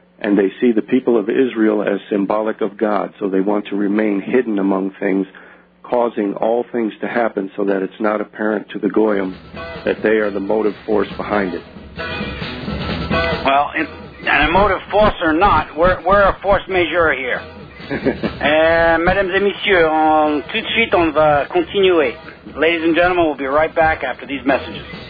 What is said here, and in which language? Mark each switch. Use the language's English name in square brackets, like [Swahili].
[English] And they see the people of Israel as symbolic of God, so they want to remain hidden among things, causing all things to happen so that it's not apparent to the goyim that they are the motive force behind it. Well, and a motive force or not, we're a force majeure here. [French] Mesdames et messieurs, tout de suite on va continuer. [English] Ladies and gentlemen, we'll be right back after these messages.